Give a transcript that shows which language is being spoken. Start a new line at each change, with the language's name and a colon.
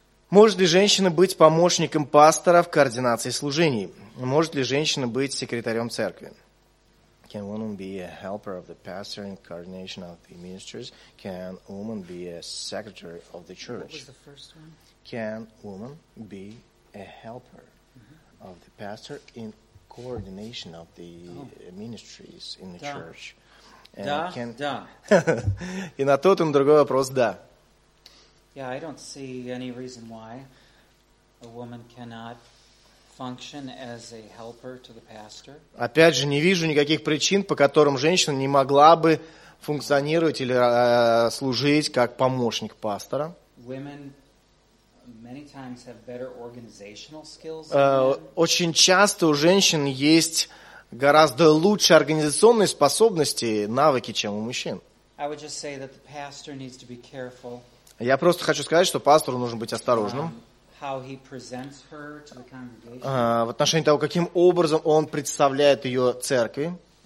Russian: Может ли женщина быть помощником пастора в координации служений? Может ли женщина быть секретарем церкви?
English: Can a woman be a helper of the pastor in coordination of the ministries? Can a woman be a secretary of the church? What was the first one? Can a woman be a helper of the pastor in coordination of the ministries in the church? And can...
Russian: Да. И на тот и на другой вопрос да.
English: Yeah, I don't see any reason why a woman cannot function as a helper to the pastor.
Russian: Опять же, не вижу никаких причин, по которым женщина не могла бы функционировать или служить как помощник пастора.
English: Women many times have better organizational skills.
Russian: Очень часто у женщин есть гораздо лучше организационные способности, навыки, чем у мужчин.
English: I would just say that the pastor needs to be careful.
Russian: Я просто хочу сказать, что пастору нужно быть осторожным в отношении того, каким образом он представляет ее церкви.